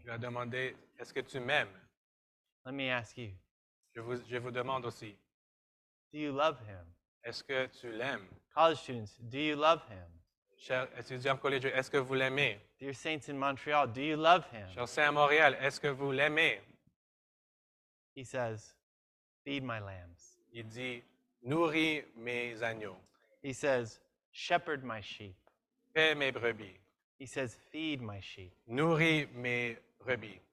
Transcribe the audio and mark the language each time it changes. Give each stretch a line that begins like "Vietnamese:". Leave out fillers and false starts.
French: Il lui a demandé, est-ce que tu m'aimes?
English: Let me ask you.
French: Je vous demande aussi.
English: Do you love him?
French: Est-ce que tu l'aimes?
English: College students, do you love him?
French: Chers étudiants collégiens, est-ce que vous l'aimez?
English: Dear saints in Montreal, do you love him?
French: Chers saints à Montréal, est-ce que vous l'aimez?
English: He says, feed my lambs.
French: Il dit, nourris mes agneaux.
English: He says, shepherd my sheep.
French: Paix mes brebis.
English: He says, feed my sheep.
French: Nourris mes brebis.